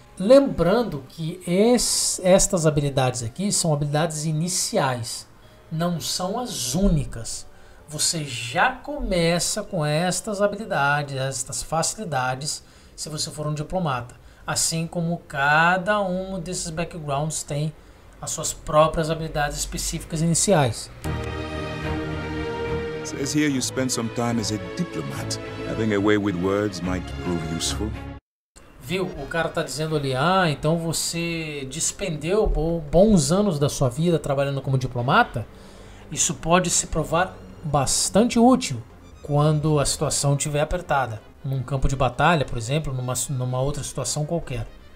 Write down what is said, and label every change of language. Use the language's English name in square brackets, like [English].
[Portuguese] Lembrando que estas habilidades aqui são habilidades iniciais, não são as únicas. Você já começa com estas habilidades, estas facilidades, se você for um diplomata. Assim como cada um desses backgrounds tem as suas próprias habilidades específicas iniciais. [English] Says here you spend some time as a diplomat. Having a way with words might prove useful. [Portuguese] Viu? O cara tá dizendo ali, ah, então você despendeu bons anos da sua vida trabalhando como diplomata? Isso pode se provar bastante útil quando a situação estiver apertada, num campo de batalha, por exemplo, numa outra situação qualquer.